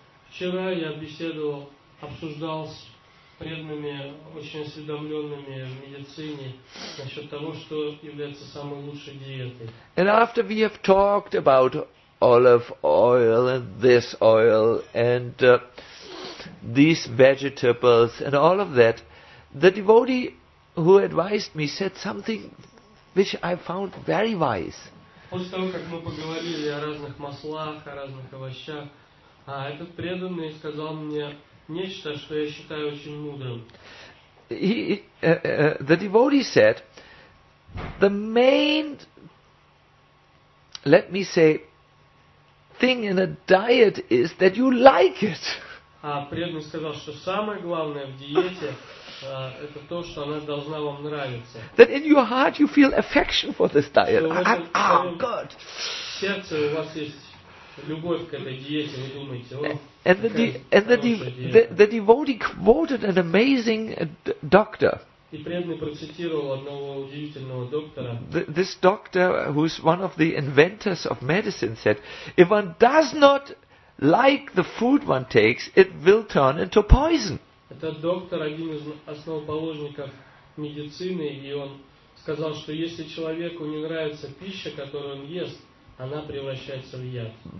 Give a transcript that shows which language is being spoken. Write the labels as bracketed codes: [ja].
[ru] Вчера я беседовал, обсуждал с преданными, очень осведомленными в медицине насчет того, что является самой лучшей диетой. [en] And after we have talked about olive oil and this oil and these vegetables and all of that, the devotee who advised me said something which I found very wise. [ru] После того, как мы поговорили о разных маслах, о разных овощах, этот преданный сказал мне нечто, что я считаю очень мудрым. [en] The devotee said, the main, let me say, thing in a diet is that you like it. [ru] Преданный сказал, что самое главное в диете это то, что она должна вам нравиться. [en] That in your heart you feel affection for this diet. Good. [ru] Сердце у вас есть любовь к этой диете, вы думаете, [en] The devotee quoted an amazing doctor. [ru] И преданный процитировал одного удивительного доктора. [en] This doctor, who is one of the inventors of medicine, said, if one does not like the food one takes, it will turn into poison. [ru] Этот доктор один из основоположников медицины, и он сказал, что если человеку не нравится пища, которую он ест, она превращается в яд.